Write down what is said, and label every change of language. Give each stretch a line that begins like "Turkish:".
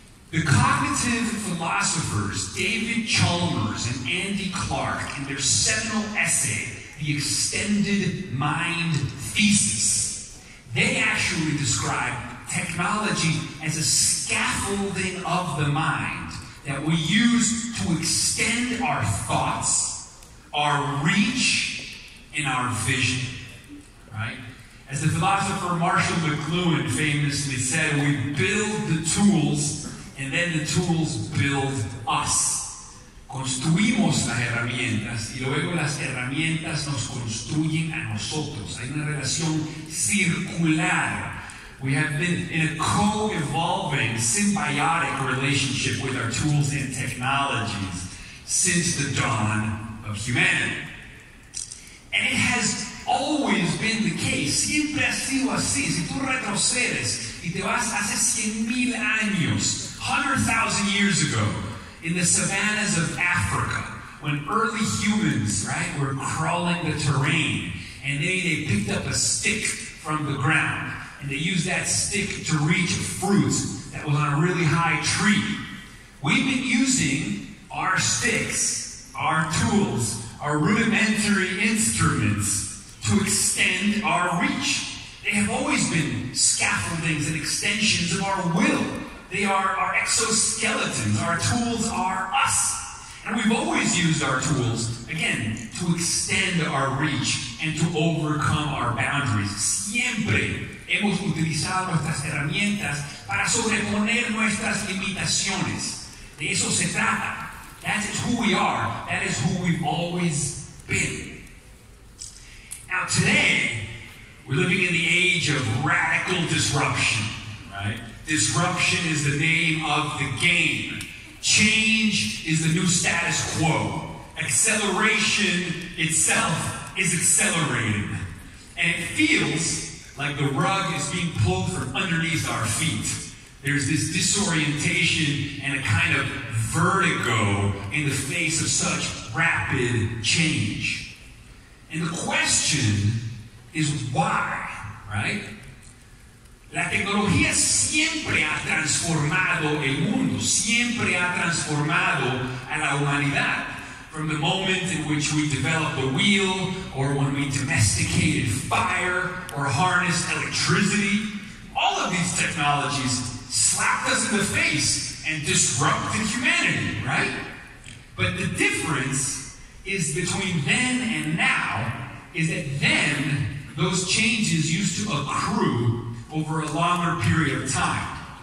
English: The cognitive philosophers David Chalmers and Andy Clark, in their seminal essay, The Extended Mind Thesis, they actually describe technology as a scaffolding of the mind that we use to extend our thoughts, our reach, and our vision, right? As the philosopher Marshall McLuhan famously said, we build the tools and then the tools build us.
Spanish: Construimos las herramientas y luego las herramientas nos construyen a nosotros. Hay una relación circular.
English: We have been in a co-evolving, symbiotic relationship with our tools and technologies. since the dawn of humanity. And it has always been the case,
Spanish: siempre ha sido así. Si tú retrocedes y te vas hace 100,000 años,
English: 100,000 years ago, in the savannas of Africa, when early humans, right, were crawling the terrain, and they picked up a stick from the ground, and they used that stick to reach fruit that was on a really high tree. We've been using our sticks, our tools, our rudimentary instruments to extend our reach. They have always been scaffoldings and extensions of our will. They are our exoskeletons, our tools are us. And we've always used our tools, again, to extend our reach and to overcome our boundaries.
Spanish: Siempre hemos utilizado nuestras herramientas para sobreponer nuestras limitaciones. De eso se trata.
English: That is who we are. That is who we've always been. Now today, we're living in the age of radical disruption, right? Disruption is the name of the game. Change is the new status quo. Acceleration itself is accelerating. And it feels like the rug is being pulled from underneath our feet. There's this disorientation and a kind of vertigo in the face of such rapid change. And the question is why, right?
Spanish: La tecnología siempre ha transformado el mundo, siempre ha transformado a la humanidad.
English: From the moment in which we developed a wheel, or when we domesticated fire, or harnessed electricity, all of these technologies slapped us in the face and disrupted humanity, right? But the difference is between then and now is that then those changes used to accrue over a longer period of time.